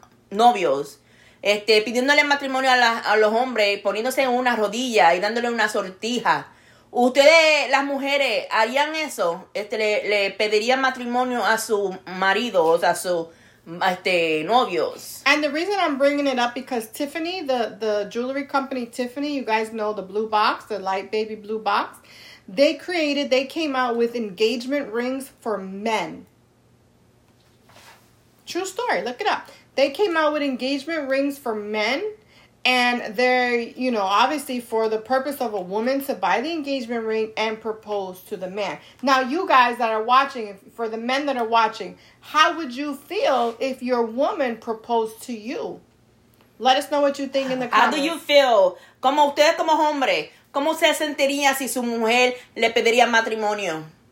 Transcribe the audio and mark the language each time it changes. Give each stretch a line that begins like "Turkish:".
Spanish: novios, pidiéndole matrimonio a los hombres, poniéndose en una rodilla y dándole una sortija. ¿Ustedes, las mujeres, harían eso? ¿Le pedirían matrimonio a su marido, o sea, a sus novios?
English: And the reason I'm bringing it up because Tiffany, the jewelry company Tiffany, you guys know the blue box, the light baby blue box, they came out with engagement rings for men. True story. Look it up. They came out with engagement rings for men. And they're, you know, obviously for the purpose of a woman to buy the engagement ring and propose to the man. Now, you guys that are watching, for the men that are watching, how would you feel if your woman proposed to you? Let us know what you think in the comments. How do you feel?
Spanish: Como usted, como hombre, ¿cómo se sentiría si su mujer le pediría matrimonio?